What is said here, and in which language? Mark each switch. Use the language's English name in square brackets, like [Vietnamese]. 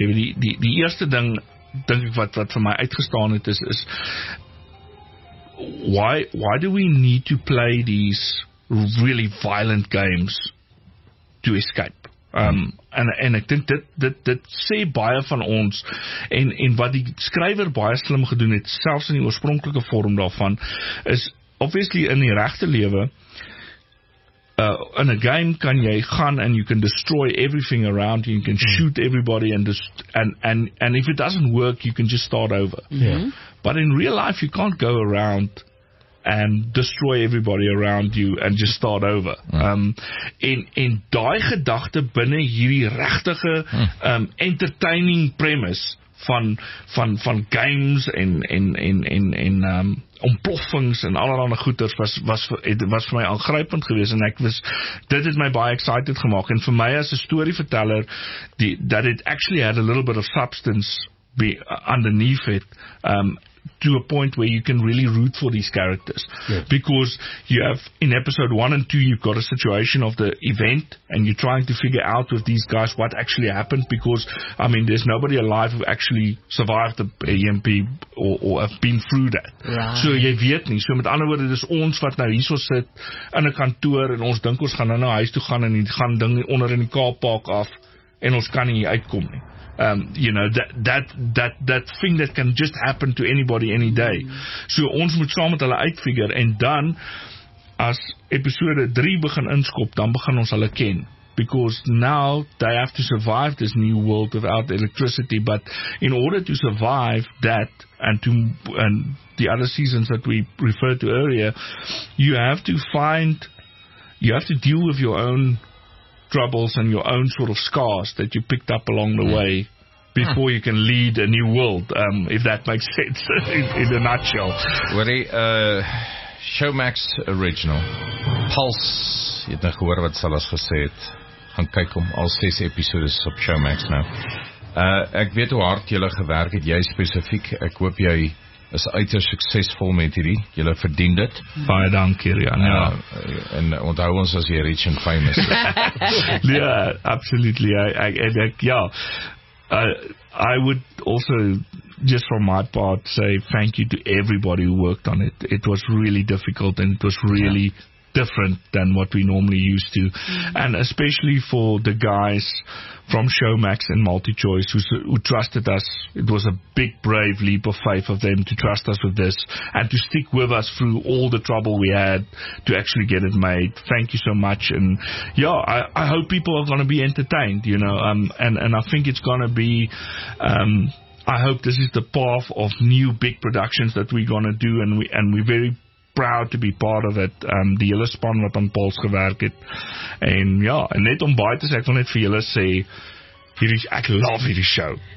[Afrikaans] Jy weet, die eerste ding, dink ek, wat vir my uitgestaan het, is why do we need to play these really violent games to escape? En ek dink dit sê baie van ons, en wat die skrywer baie slim gedoen het, selfs in die oorspronklike vorm daarvan, is obviously in die regte lewe, [English] In a game, kan jy gaan and you can destroy everything around you. You can shoot everybody and if it doesn't work, you can just start over. Yeah. But in real life, you can't go around and destroy everybody around you and just start over. In die gedagte binne hierdie regtige entertaining premise van games en ontploffings en allerlei goeders was vir my aangrypend geweest en ek was, dit het my baie excited gemaak en vir my as 'n storyverteller [Afrikaans] that it actually had a little bit of substance be underneath it to a point where you can really root for these characters. [English] Yeah. Because you have, in episode 1 and 2, you've got a situation of the event, and you're trying to figure out with these guys what actually happened, because, I mean, there's nobody alive who actually survived the EMP or have been through that. Right. [Afrikaans] So jy weet nie. So met ander woorde, dis ons wat nou hierso sit in 'n kantoor, en ons dink ons gaan nou huis toe gaan, en gaan ding onder in die Kaappark af, en ons kan nie uitkom nie. [English] You know, that thing that can just happen to anybody any day. [Afrikaans] So ons moet saam met hulle uitfigure, en dan as episode 3 begin inskop, dan begin ons hulle ken, because now they have to survive this new world without electricity. [English] But in order to survive that and the other seasons that we referred to earlier, you have to deal with your own troubles and your own sort of scars that you picked up along the way before you can lead a new world, if that makes sense in a nutshell. [Afrikaans] Woody, Showmax original Pulse, jy het nou gehoor wat Salas gesê het, gaan kyk om al 6 episodes op Showmax nou. Ek weet hoe hard jy gewerk het, jy spesifiek, ek hoop jy is uiters suksesvol met hierdie. Julle verdien dit. Baie dankie, Rian. Ja. En onthou ons as jy rich and famous. Ja, absolutely. [English] I would also, just from my part, say thank you to everybody who worked on it. It was really difficult and it was really different than what we normally used to. Mm-hmm. And especially for the guys from Showmax and MultiChoice who trusted us. It was a big, brave leap of faith of them to trust us with this and to stick with us through all the trouble we had to actually get it made. Thank you so much. And yeah, I hope people are going to be entertained, you know, and I think it's going to be, I hope this is the path of new big productions that we're going to do, and we're very proud to be part of it. [Afrikaans] Die hele span wat aan Pulse gewerk het, en ja, en net om baie te sê, ek wil net vir julle sê, ek love hierdie show.